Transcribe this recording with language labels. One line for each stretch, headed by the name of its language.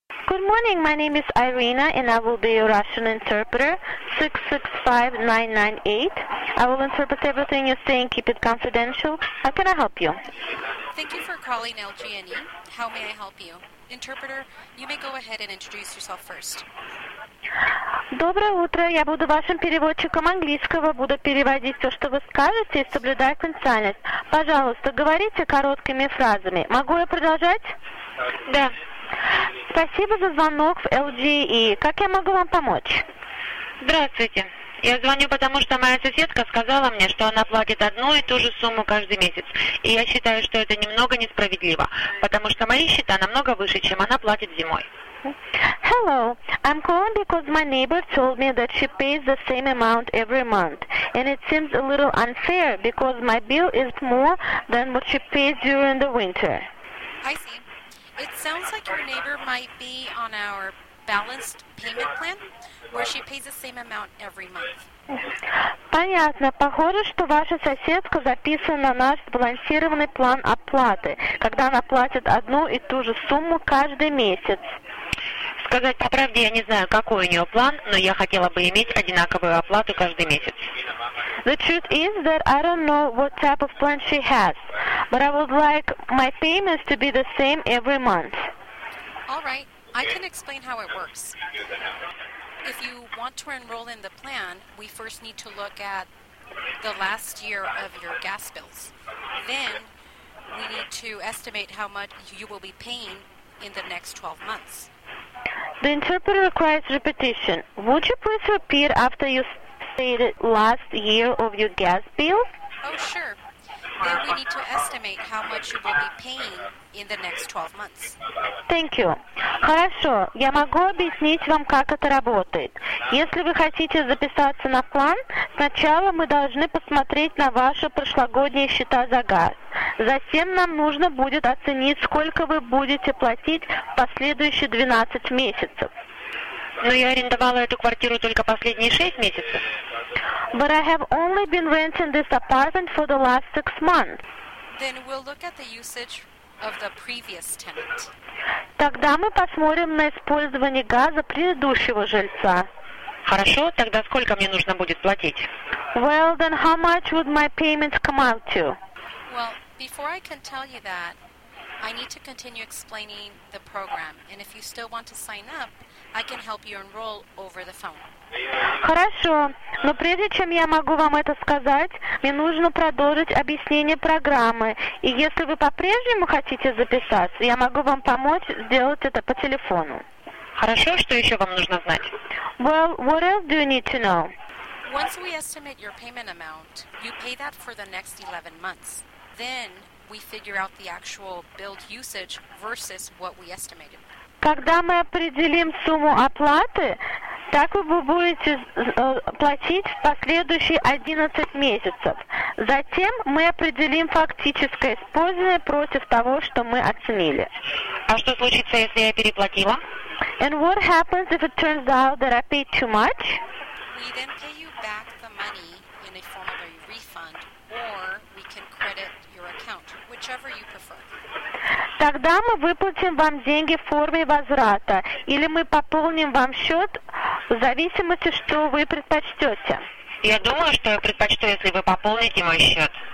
English: Good morning, my name is Irina and I will be your Russian interpreter, 665-998. I will interpret everything you're saying, keep it confidential. How can I help you? Thank you for calling LGNE. How may I help you? Interpreter, you may go ahead and introduce yourself first.
Russian: Доброе утро, я буду вашим переводчиком английского, буду переводить все, что вы скажете, и соблюдаю конфиденциальность. Пожалуйста, говорите короткими фразами. Могу я продолжать? Да. Спасибо за звонок в LGE. Как я могу вам помочь? Здравствуйте. Я звоню, потому что моя соседка сказала мне, что она платит одну и ту же сумму каждый месяц. И я считаю, что это немного несправедливо, потому что мои счета намного выше, чем она платит зимой.
English: Hello, I'm calling because my neighbor told me that she pays the same amount every month, and it seems a little unfair because my bill is more than what she pays during the winter. I see. It sounds like your neighbor might be on our balanced payment plan, where she pays the same amount every month.
Russian: Понятно. Похоже, что ваша соседка записана на наш сбалансированный план оплаты, когда она платит одну и ту же сумму каждый месяц. Сказать по правде, я не знаю, какой у нее план, но я хотела бы иметь одинаковую оплату каждый месяц.
English: The truth is that I don't know what type of plan she has, but I would like my payments to be the same every month. All right. I can explain how it works. If you want to enroll in the plan, we first need to look at the last year of your gas bills. Then we need to estimate how much you will be paying in the next 12 months. The interpreter requires repetition. Would you please repeat after you stated last year of your gas bill? Oh, sure. Then we need to estimate how much you will be paying in the next 12 months. Thank you.
Russian: Хорошо, я могу объяснить вам, как это работает. Если вы хотите записаться на план, сначала мы должны посмотреть на ваши прошлогодние счета за газ. Затем нам нужно будет оценить, сколько вы будете платить в последующие 12 месяцев. Но я арендовала эту квартиру только последние 6 месяцев.
English: But I have only been renting this apartment for the last 6 months. Then we'll look at the usage of the previous tenant.
Russian: Тогда мы посмотрим на использование газа предыдущего жильца. Хорошо, тогда сколько мне нужно будет платить?
English: Well, then how much would my payments come out to? Well, before I can tell you that, I need to continue explaining the program. And if you still want to sign up, I can help you enroll over the phone.
Russian: Хорошо, но прежде чем я могу вам это сказать, мне нужно продолжить объяснение программы. И если вы по-прежнему хотите записаться, я могу вам помочь сделать это по телефону. Хорошо, что еще вам нужно знать?
English: Well, what else do you need to know? Once we estimate your payment amount, you pay that for the next 11 months. Then we figure out the actual billed usage versus what we estimated.
Russian: Когда мы определим сумму оплаты, так вы будете платить в последующие 11 месяцев. Затем мы определим фактическое использование против того, что мы оценили. А что случится, если я переплатила?
English: And what happens if it turns out that I paid too much? We then pay you back the money in a form of a refund, or we can credit your account, whichever you prefer.
Russian: Тогда мы выплатим вам деньги в форме возврата, или мы пополним вам счет в зависимости, что вы предпочтете. Я думаю, что я предпочту, если вы пополните мой счет.